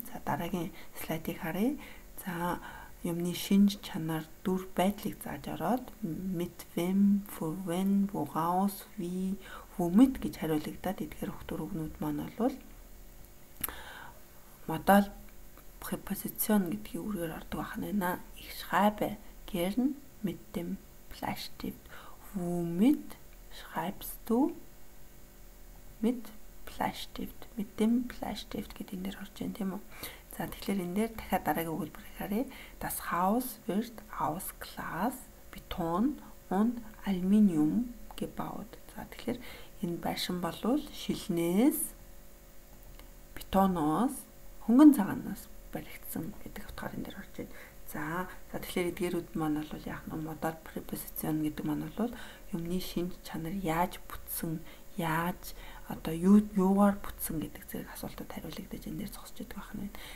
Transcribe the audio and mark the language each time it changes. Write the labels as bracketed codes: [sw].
[mn] За дараагийн слайдыг харъя. За юмны шинж чанар дүр байдлыг зааж ороод [de] mit wem, für wen, woraus, wie, womit [mn] гэж хариулагдаад эдгээр хөтөр өгнүүд маань бол модал препозицион гэдгийг үүрэгээр ордог бахан байна. [de] Их schreibe gern mit dem Bleistift. Womit schreibst du? Mit Bleistift, mit dem Bleistift гэдэг нэр орж байна тийм үү? [mn] За тэгэхээр энэ дээр дахиад дараагийн өгүүлбэр харъя. [de] Das Haus wird aus Glas, Beton und Aluminium gebaut. [mn] За тэгэхээр энэ байшин болвол шилнээс, бетоноос, хөнгөн цагаанаас баригдсан гэдэг утгаар энэ дээр орж байна. За тэгэхээр эдгээрүүд маань бол яг нь модал препозицион гэдэг маань бол юмны шинж чанар яаж бүтсэн, яаж одоо юугаар бүтсэн гэдэг зэрэг асуултад хариулагдаж энэ дээр зогсож байгаа юм байна.